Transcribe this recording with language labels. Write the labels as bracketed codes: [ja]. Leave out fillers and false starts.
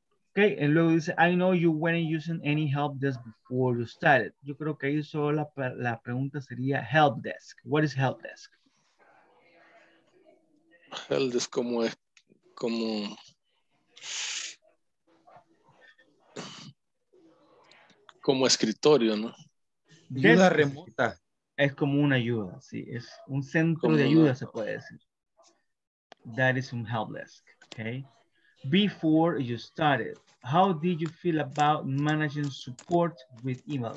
[en] Ok, y luego dice, I know you weren't using any help desk before you started. [es] Yo creo que ahí solo la pregunta sería help desk. [en] What is help desk? [es] Help desk como es, como como escritorio, ¿no? Ayuda remota. Es como una ayuda, sí. Es un centro como de ayuda, se puede decir. [en] That is some help desk, okay? Before you started, how did you feel about managing support with email?